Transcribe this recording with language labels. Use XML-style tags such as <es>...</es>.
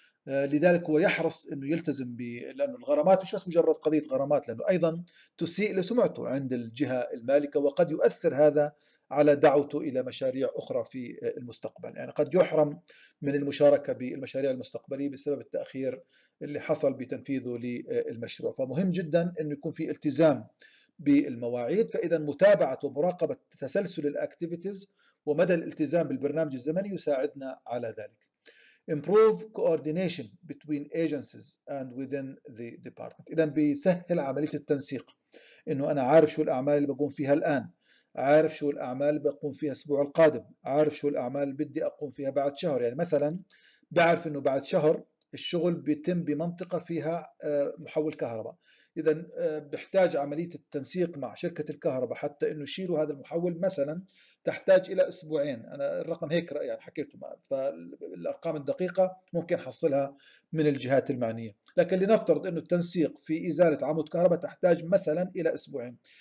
<ar>لذلك هو يحرص انه يلتزم لانه الغرامات مش بس مجرد قضيه غرامات، لانه ايضا تسيء لسمعته عند الجهه المالكه، وقد يؤثر هذا على دعوته الى مشاريع اخرى في المستقبل، يعني قد يحرم من المشاركه بالمشاريع المستقبليه بسبب التاخير اللي حصل بتنفيذه للمشروع. فمهم جدا انه يكون في التزام بالمواعيد، فاذا متابعه ومراقبه تسلسل الاكتيفيتيز ومدى الالتزام بالبرنامج الزمني يساعدنا على ذلك.</ar> <en>Improve coordination between agencies and within the department.</en> <ar>إذا بيسهل عملية التنسيق، إنه أنا عارف شو الأعمال اللي بقوم فيها الآن، عارف شو الأعمال اللي بقوم فيها الأسبوع القادم، عارف شو الأعمال اللي بدي أقوم فيها بعد شهر. يعني مثلا بعرف إنه بعد شهر الشغل بيتم بمنطقة فيها محول كهرباء، إذا بحتاج عملية التنسيق مع شركة الكهرباء حتى إنه يشيلوا هذا المحول مثلا تحتاج إلى أسبوعين، أنا الرقم هيك رأي يعني حكيته، فالأرقام الدقيقة ممكن حصلها من الجهات المعنية، لكن لنفترض إنه التنسيق في إزالة عمود كهرباء تحتاج مثلا إلى أسبوعين.</ar>